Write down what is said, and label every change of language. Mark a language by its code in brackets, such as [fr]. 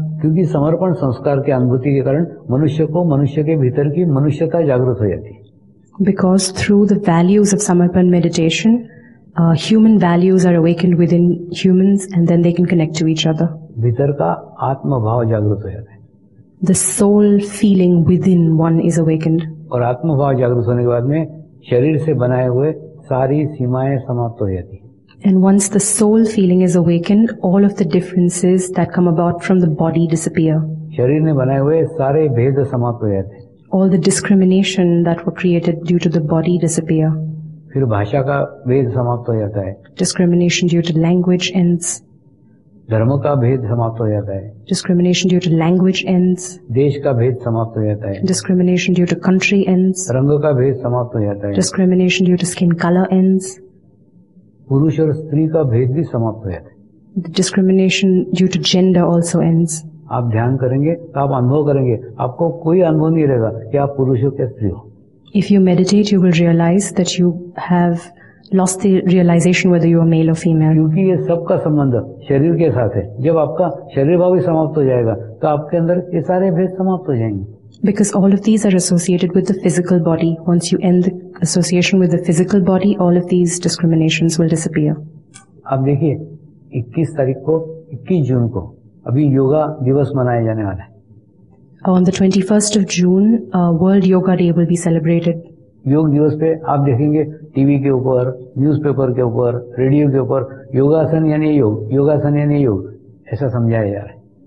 [hi] क्योंकि समर्पण संस्कार के अनुभूति के कारण मनुष्य को मनुष्य के भीतर की मनुष्यता जागृत हो जाती है। [en] Because through the values of Samarpan meditation human values are awakened within humans and then they can connect to each other. [hi] भीतर का आत्मभाव जागृत हो जाता है। [en] The soul feeling within one is awakened. [hi] और आत्मभाव जागृत होने के बाद में शरीर से बनाए हुए सारी सीमाएं समाप्त हो जाती है। [en] And once the soul feeling is awakened, all of the differences that come about from the body disappear. [hi] शरीर ने बनाए हुए सारे भेद समाप्त हो जाते। [en] All the discrimination that were created due to the body disappear. [hi] फिर भाषा का भेद समाप्त हो जाता है। [en] Discrimination due to language ends. [hi] धर्म का भेद समाप्त हो जाता है। [en] Discrimination due to language ends. [hi] देश का भेद समाप्त हो जाता है। [en] Discrimination due to country ends. [hi] रंग का भेद समाप्त हो जाता है। [en] Discrimination due to skin color ends. [hi] पुरुष और स्त्री का भेद भी समाप्त हो जाता है। [en] Discrimination due to gender also ends. [hi] आप ध्यान करेंगे तो आप अनुभव करेंगे, आपको कोई अनुभव नहीं रहेगा कि आप पुरुष हो या स्त्री हो। [en] If you meditate you will realize that you have lost the realization whether you are male or female. [hi] क्योंकि ये सबका संबंध शरीर के साथ है। जब आपका शरीर भाव भी समाप्त हो जाएगा तो आपके अंदर ये सारे भेद समाप्त हो जाएंगे। [en] Because all of these are associated with the physical body. Once you end the association with the physical body, all of these discriminations will disappear. [hi] अब देखिए, 21 तारीख को, 21 जून को, अभी योगा दिवस मनाया जाने वाला है। [en] On the 21st of June, World Yoga Day will be celebrated. [hi] योग दिवस पे आप देखेंगे टीवी के ऊपर, न्यूज़पेपर के ऊपर, रेडियो के ऊपर योगासन यानी योग, योगासन यानी योग ऐसा समझाया जा रहा है।